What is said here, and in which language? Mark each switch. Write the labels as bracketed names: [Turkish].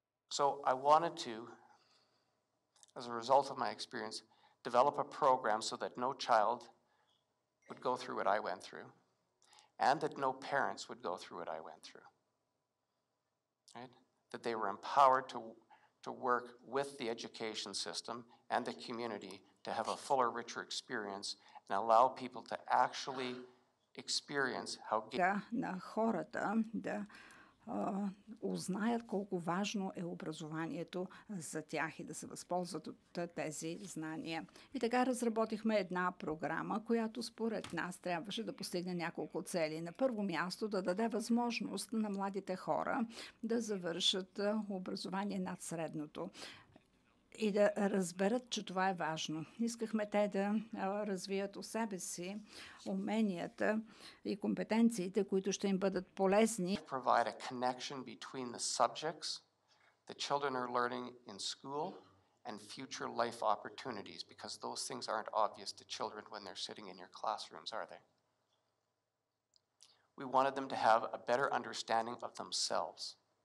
[English] So I wanted to, as a result of my experience, develop a program so that no child would go through what I went through, and that no parents would go through what I went through. Right? That they were empowered to work with the education system and the community to have a fuller, richer experience and allow people to actually experience how... [Bulgarian] ...на хората да узнаят колко важно е образованието за тях и да се възползват от тези знания. И така разработихме една програма, която според нас трябваше да постигне няколко цели. На първо място да даде възможност на младите хора да завършат образование над средното и да разберат, че това е важно. Искахме те да развият у себе си уменията и компетенциите, които ще им бъдат полезни. [English] To provide a connection between the subjects the children are learning in school and future life opportunities, because those things aren't obvious to children when they're sitting in your classrooms, are they? We wanted them to have a better understanding of themselves.